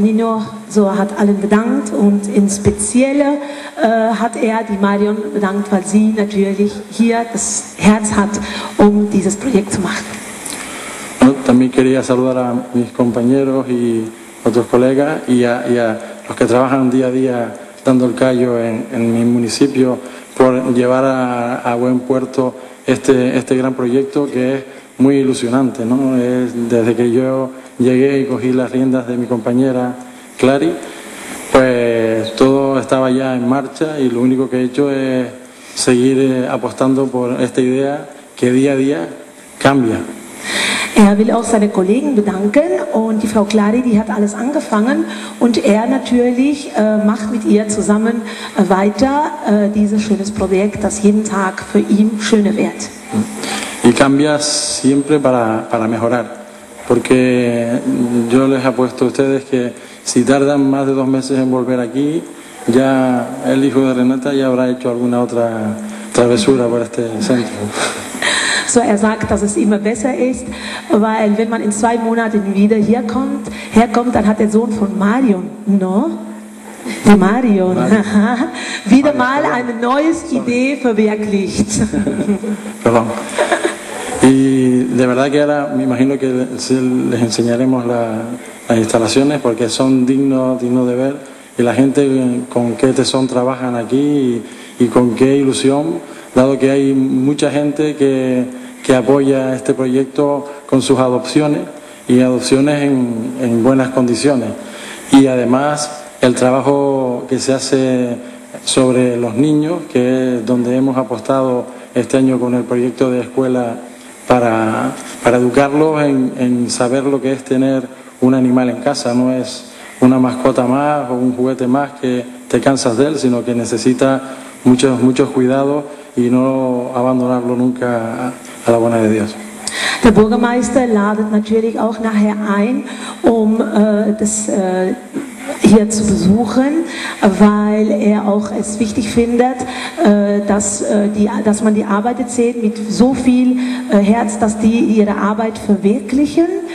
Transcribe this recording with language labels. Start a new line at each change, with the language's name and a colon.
German: Nino so hat allen bedankt und in Spezielle hat die Marion bedankt, weil sie natürlich hier das Herz hat, dieses Projekt zu machen.
Spanish: También quería saludar a mis compañeros y otros colegas y a los que trabajan día a día dando el callo en mi municipio por llevar a buen puerto este gran proyecto que es muy ilusionante, ¿no? Es desde que yo llegué y cogí las riendas de mi compañera Clary, pues todo estaba ya en marcha y lo único que he hecho es seguir apostando por esta idea que día a día cambia.
German: Will auch seine Kollegen bedanken und die Frau Clary, die hat alles angefangen und natürlich macht mit ihr zusammen weiter dieses schönes Projekt, das jeden Tag für ihn schöner wird.
Spanish: Y cambia siempre para mejorar, porque yo les apuesto a ustedes que si tardan más de dos meses en volver aquí, ya el hijo de Renata ya habrá hecho alguna otra travesura por este centro.
German: So sagt, dass es immer besser ist, weil wenn man in zwei Monaten wieder herkommt, dann hat der Sohn von Marion,
Spanish: no?
German: Marion, Marion. Wieder mal eine neue Idee verwirklicht.
Spanish: Perdón. Y de verdad que ahora me imagino que les enseñaremos las instalaciones porque son dignos de ver y la gente con qué tesón trabajan aquí y con qué ilusión, dado que hay mucha gente que apoya este proyecto con sus adopciones y adopciones en buenas condiciones. Y además el trabajo que se hace sobre los niños, que es donde hemos apostado este año con el proyecto de escuela para educarlos en saber lo que es tener un animal en casa. No es una mascota más o un juguete más que te cansas de él, sino que necesita muchos, muchos cuidados y no abandonarlo nunca a la buena de Dios.
German: Der Bürgermeister ladet natürlich auch nachher ein, das hier zu besuchen, weil auch es wichtig findet, dass man die Arbeit sieht mit so viel Herz, dass die ihre Arbeit verwirklichen.